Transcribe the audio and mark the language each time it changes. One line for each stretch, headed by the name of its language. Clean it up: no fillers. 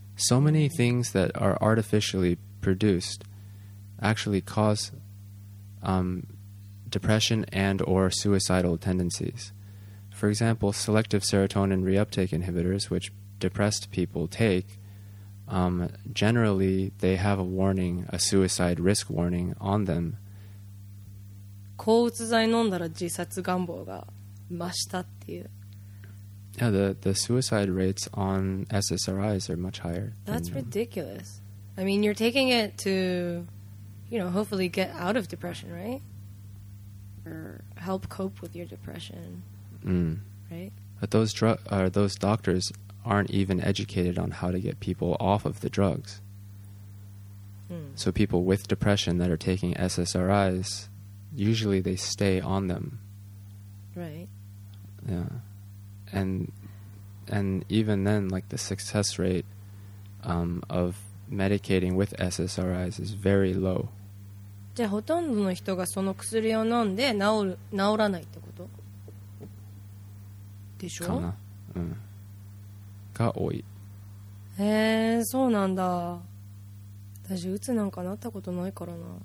English: So many things that are artificially produced actually cause depression and or suicidal tendencies. For example, selective serotonin reuptake inhibitors, which depressed people take, generally they have a warning, a suicide risk warning on them.
Japanese: 抗うつ剤飲んだら自殺願望が増したっていう。
English: Yeah, the suicide rates on SSRIs are much higher. That's ridiculous. I mean, you're taking it to, you know, hopefully get out of depression, right? Or help cope with your depression. Right? But those doctors aren't even educated on how to get people off of the drugs. So people with depression that are taking SSRIs, usually they stay on them. Right. Yeah. And even then, like the success rate of medicating with SSRIs is very low.
Japanese: じゃあほとんどの人がその薬を飲んで治らないってこと? でしょ? かな。うん。が多い。へえ、そうなんだ。私うつなんかなったことないからな。